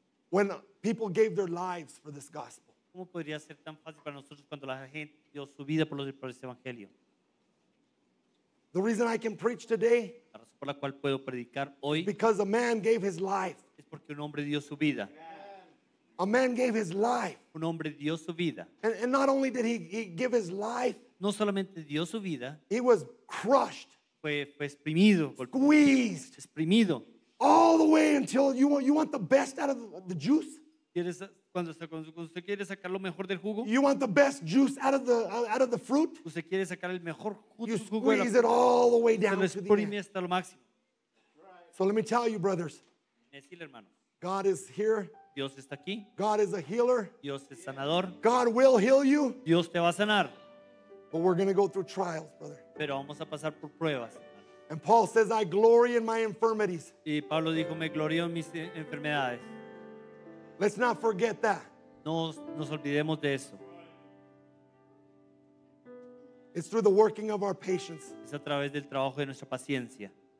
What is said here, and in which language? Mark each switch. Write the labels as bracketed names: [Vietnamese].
[English] When people gave their lives for this gospel. [Spanish] ¿Cómo podría ser tan fácil para nosotros cuando la gente dio su vida por este evangelio? [English] The reason I can preach today, because a man gave his life. [Spanish] Es porque un hombre dio su vida. [English] A man gave his life. [Spanish] Un hombre dio su vida. [English] And not only did he give his life, [Spanish] no solamente dio su vida, [English] he was crushed. [Spanish] Fue exprimido, [English] squeezed. [Spanish] Exprimido. [English] All the way until you want the best out of the juice. [Spanish] ¿Quieres cuando usted quiere sacar lo mejor del jugo? [English] You want the best juice out of the fruit? [Spanish] ¿Usted quiere sacar el mejor jugo? [English] You squeeze it all the way down. [Spanish] Exprime hasta lo máximo. [English] So let me tell you, brothers. [Spanish] Decirle, hermano. [English] God is here. [Spanish] Dios está aquí. [English] God is a healer. [Spanish] Dios es sanador. [English] God will heal you. [Spanish] Dios te va a sanar. [English] But we're going to go through trials, brother. [Spanish] Pero vamos a pasar por pruebas. [English] And Paul says, "I glory in my infirmities." [Spanish] Y Pablo dijo, "Me glorío en mis enfermedades." [English] Let's not forget that. [Spanish] No nos olvidemos de eso. [English] It's through the working of our patience. [Spanish] Es a través del trabajo de nuestra paciencia.